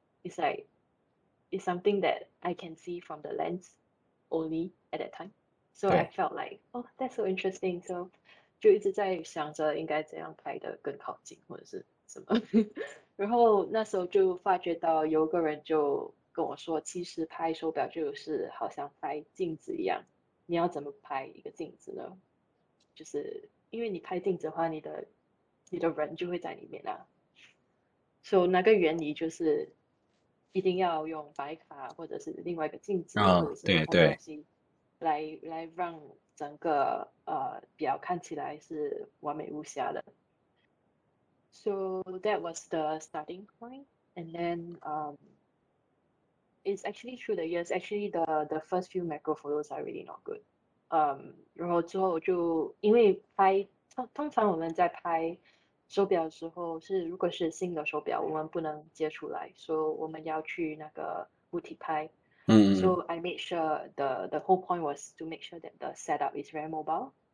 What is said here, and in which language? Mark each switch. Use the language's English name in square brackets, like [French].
[English] It's like it's something that I can see from the lens only at that time. So [Chinese] 对。 [English] I felt like oh that's so interesting. [Chinese] So 就一直在想着应该怎样拍得更靠近或者是什么，然后那时候就发觉到有个人就跟我说，其实拍手表就是好像拍镜子一样，你要怎么拍一个镜子呢？就是因为你拍镜子的话，你的人就会在里面啊，所以那个原理就是一定要用白卡或者是另外一个镜子或者是对什么东对，西来让。整个表看起来是完美无瑕的， [English] So that was the starting point, and then it's actually true that yes, actually the first few macro photos are really not good. [Chinese] 然后之后就因为拍通常我们在拍手表的时候是如果是新的手表，我们不能接出来，所以我们要去那个物体拍。 [English] So I made sure the whole point was to make sure that the setup is very mobile。